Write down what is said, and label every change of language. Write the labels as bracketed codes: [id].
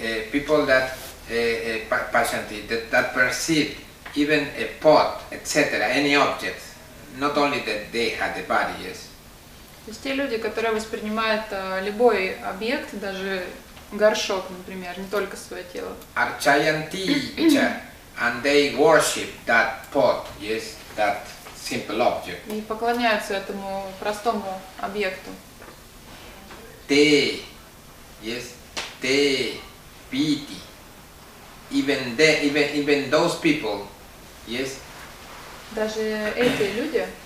[en] People that patiently that perceive even a pot, etc., any object, not only that they had the body, yes. [ru] То есть те люди, которые воспринимают любой объект, даже горшок, например, не только свое тело. [sa] Archayanti cha, [en] and they worship that pot, yes, that simple object. [ru] И поклоняются этому простому объекту. [sa] Te, yes, te, piti. [en] Even they, even those people, yes. [ru] Даже эти люди.